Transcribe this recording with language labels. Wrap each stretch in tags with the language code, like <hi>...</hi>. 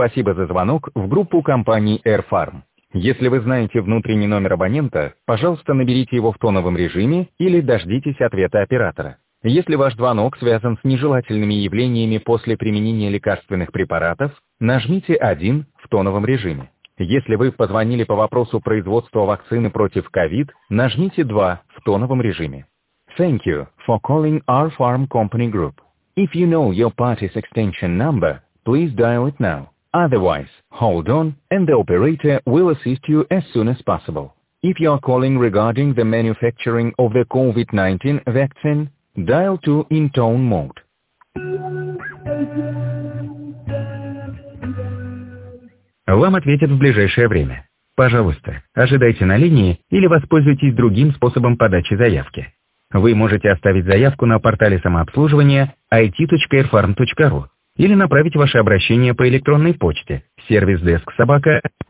<ru>Спасибо за звонок в группу компании AirFarm. Если вы знаете внутренний номер абонента, пожалуйста, наберите его в тоновом режиме или дождитесь ответа оператора. Если ваш звонок связан с нежелательными явлениями после применения лекарственных препаратов, нажмите 1 в тоновом режиме. Если вы позвонили по вопросу производства вакцины против COVID, нажмите 2 в тоновом режиме.</ru> <en>Thank you for calling our farm company group. If you know your party's extension number, please dial it now. Otherwise, hold on, and the operator will assist you as soon as possible. If you are calling regarding the manufacturing of the COVID-19 vaccine, dial 2 in tone mode.</en> <ru>Вам ответят в ближайшее время. Пожалуйста, ожидайте на линии или воспользуйтесь другим способом подачи заявки. Вы можете оставить заявку на портале самообслуживания it.airfarm.ru или направить ваше обращение по электронной почте сервис-деск-собака.</ru>